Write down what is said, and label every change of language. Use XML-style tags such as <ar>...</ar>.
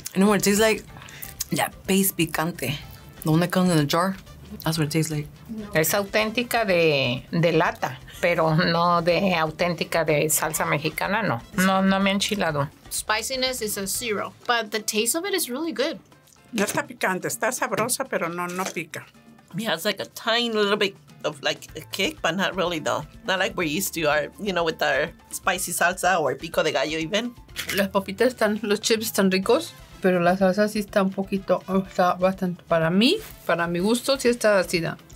<en>No, it tastes like that paste picante. The one that comes in the jar. That's what it tastes like.</en> <es>No. Es auténtica de lata. Pero no de auténtica de salsa mexicana, no. No, no me ha enchilado.</es> <en>Spiciness is a zero, but the taste of it is really good.</en> <es>No está picante, está sabrosa, pero no pica.</es> <en>It has like a tiny little bit of like a kick, but not really though. Not like we're used to our, you know, with our spicy salsa or pico de gallo even.</en> <es>Las papitas están, los chips están ricos, pero la salsa sí está un poquito, está bastante, para mi gusto, sí está ácida.</es>